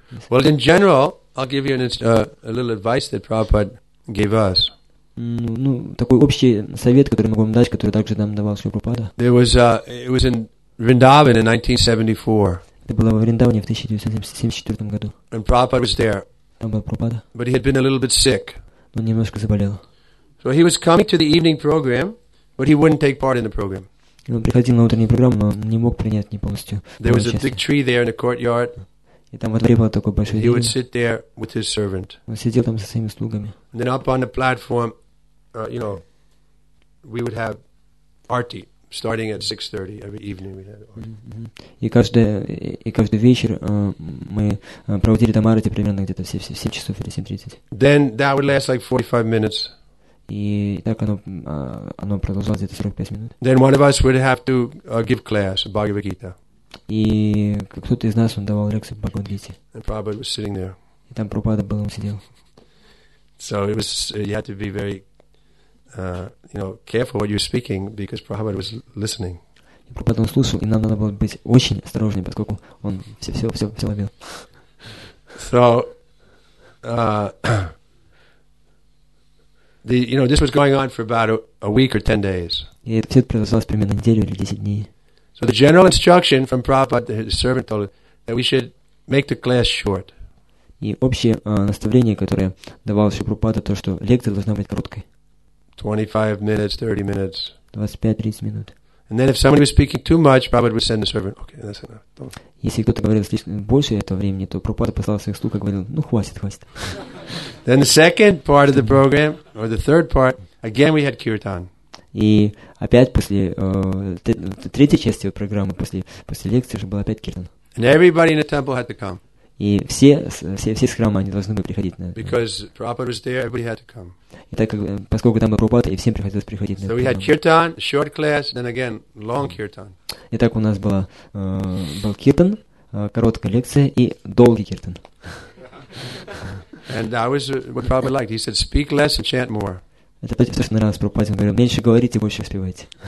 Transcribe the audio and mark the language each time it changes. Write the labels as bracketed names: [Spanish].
[English] Well, in general, I'll give you a little advice that Prabhupada gave us. [Russian] Такой общий совет, который могу вам дать, который также нам давал Шри [English] Прабхупада. It was in Vrindavan in 1974. [Russian] Это было во Вриндаване в 1974 году. [English] And Prabhupada was there. [Russian] Там был Прабхупада. [English] But he had been a little bit sick. [Russian] Он немножко заболел. [English] So he was coming to the evening program, but he wouldn't take part in the program. [Russian] Он приходил на утреннюю программу, но не мог принять ни полностью. [English] There was a big tree there in the courtyard. [Russian] И там во дворе было такое большое дерево. [English] He would sit there with his servant. [Russian] Он сидел там со своими слугами. [English] And then up on the platform, we would have arti starting at 6:30 every evening. We had arti. [Russian] И каждый вечер мы проводили там арти примерно где-то в 7 часов или 7:30. [English] Then that would last like 45 minutes. [Russian] И так оно продолжалось где-то 45 минут. [English] Then one of us would have to give class Bhagavad Gita. [Russian] И кто-то из нас он давал лекции по Бхагавад Гите. [English] And Prabhupada was sitting there. [Russian] И там Прабхупада был, он сидел. [English] So it was you had to be very careful what you're speaking because Prabhupada was listening. [Russian] И Прабхупада он слушал, и нам надо было быть очень осторожными, поскольку он все ловил. [English] So this was going on for about a week or 10 days. [Russian] И все это продолжалось примерно неделю или 10 дней. [English] So the general instruction from Prabhupada, his servant told us, that we should make the class short. [Russian] И общее наставление, которое давал Шри Прабхупада, то, что лекция должна быть короткой. [English] 25 minutes, 30 minutes. [Russian] 25-30 минут. [English] And then if somebody was speaking too much, Prabhupada would send the servant, okay, that's enough. Don't. [Russian] Если кто-то говорил слишком больше этого времени, то Прабхупада послал своих слуг и говорил, ну хватит. [English] Then the second part of the program, or the third part, again we had kirtan. [Russian] И опять после третьей части программы, после лекции, уже был опять киртан. [English] And everybody in the temple had to come. [Russian] И все с храма они должны были приходить на. [English] Because Prabhupada was there, everybody had to come. [Russian] И так как поскольку там был Прабхупада, и всем приходилось приходить на. [English] So we had kirtan, short class, then again long kirtan. [Russian] И так у нас была был киртан, короткая лекция и долгий киртан. [English] And that was what Prabhupada liked. He said, "Speak less and chant more." [Russian] Это то, что нравилось Прабхупаде. Он говорил, меньше говорите, больше спевайте.